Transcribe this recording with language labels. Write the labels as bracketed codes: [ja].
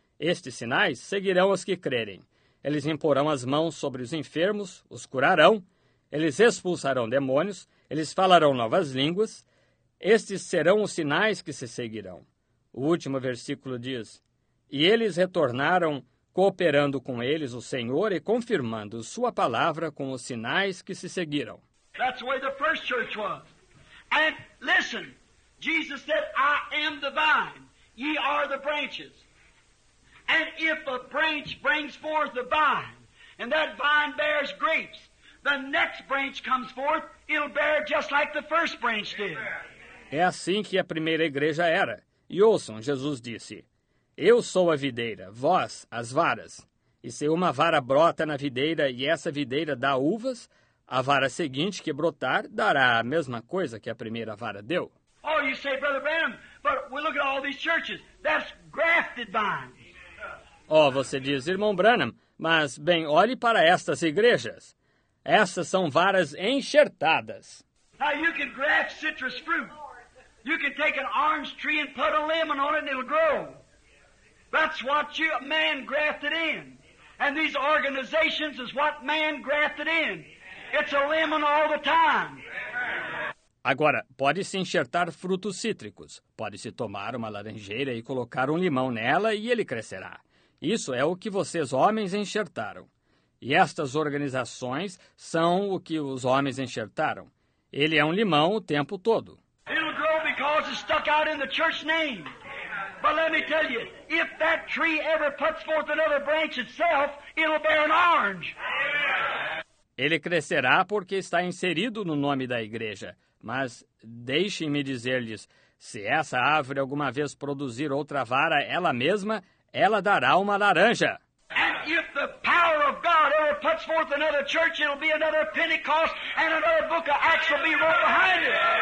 [pt] Estes sinais seguirão os que crerem. Eles imporão as mãos sobre os enfermos, os curarão. Eles expulsarão demônios, eles falarão novas línguas. Estes serão os sinais que se seguirão. O último versículo diz: e eles retornaram, cooperando com eles o Senhor e confirmando sua palavra com os sinais que se seguiram. [en] That's the way the first church was. And listen, Jesus said, I am the vine, ye are the branches. And if a branch brings forth the vine, and that vine bears grapes, the next branch comes forth, it'll bear just like the first branch did. [pt] É assim que a primeira igreja era. E ouçam, Jesus disse: eu sou a videira, vós as varas. E se uma vara brota na videira e essa videira dá uvas, a vara seguinte que brotar dará a mesma coisa que a primeira vara deu. [en] Oh, you say, Brother Branham, but we look at all these churches. That's grafted vines. [pt] Oh, você diz, Irmão Branham, mas, bem, olhe para estas igrejas. Essas são varas enxertadas. [en] Now you can graft citrus fruit. You can take an orange tree and put a lemon on it and it'll grow. That's what you, man grafted in. And these organizations is what man grafted in. It's a lemon all the time. [pt] Agora, pode-se enxertar frutos cítricos. Pode-se tomar uma laranjeira e colocar um limão nela e ele crescerá. Isso é o que vocês homens enxertaram. E estas organizações são o que os homens enxertaram. Ele é um limão o tempo todo. [en] It'll grow because it's stuck out in the church name. But let me tell you, if that tree ever puts forth another branch itself, it'll bear an orange. [pt] Ele crescerá porque está inserido no nome da igreja. Mas deixem-me dizer-lhes, se essa árvore alguma vez produzir outra vara ela mesma, ela dará uma laranja. [en] And if the power of God ever puts forth another church, it'll be another Pentecost, and another book of Acts will be wrote behind it.